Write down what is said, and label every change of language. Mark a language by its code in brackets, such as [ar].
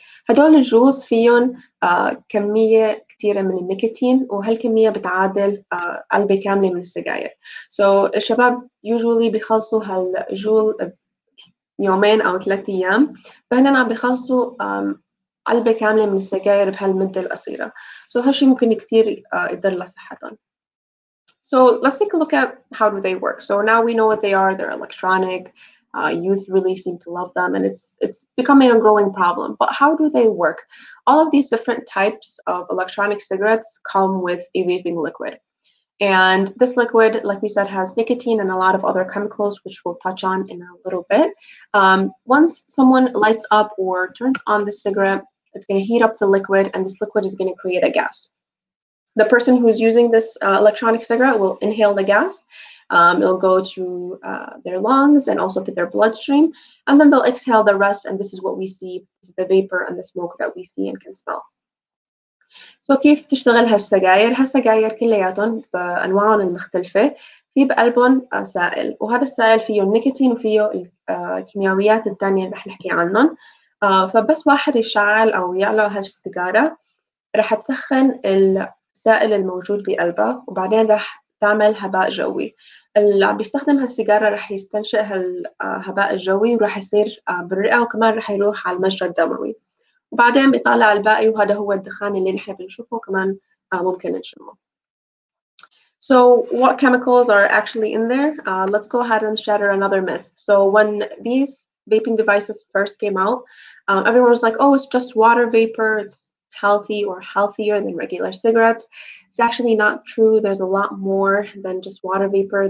[ar] هدول الجولز فيهم كمية كتيرة من النيكوتين، وهالكمية بتعادل علبة كاملة من السجائر. سو الشباب يوجولي بيخلصوا هالجول يومين أو ثلاثة أيام، فهنا عم بيخلصوا علبة كاملة من السجائر بهالمدة القصيرة. سو هالشي ممكن كتير يضر لصحتهم. [en] So let's take a look at how do they work. So now we know what they are. They're electronic. Youth really seem to love them, and it's becoming a growing problem. But how do they work? All of these different types of electronic cigarettes come with a vaping liquid. And this liquid, like we said, has nicotine and a lot of other chemicals, which we'll touch on in a little bit. Once someone lights up or turns on the cigarette, it's going to heat up the liquid, and this liquid is going to create a gas. The person who's using this electronic cigarette will inhale the gas. It'll go to their lungs and also to their bloodstream. And then they'll exhale the rest. And this is what we see, this is the vapor and the smoke that we see and can smell. [ar] So كيف تشتغل هالسجاير؟ هالسجاير كلياتهم بأنواعهم المختلفة في بقلبهم سائل، وهذا السائل فيه النيكوتين وفيه الكيميائيات الثانية اللي رح نحكي عنهم. فبس واحد يشعل أو يعلى هالسجارة رح تسخن السائل الموجود بقلبه، وبعدين رح تعمل هباء جوي. اللي بيستخدم هالسجارة رح يستنشق هالهباء الجوي، ورح يصير بالرئة، وكمان رح يروح على المجرى الدموي، وبعدين بيطلع الباقي، وهذا هو الدخان اللي نحن بنشوفه كمان ممكن نشمه. [en] So what chemicals are actually in there? Let's go ahead and shatter another myth. So when these vaping devices first came out, everyone was like, oh, it's just water vapor, it's healthy or healthier than regular cigarettes. It's actually not true. There's a lot more than just water vapor.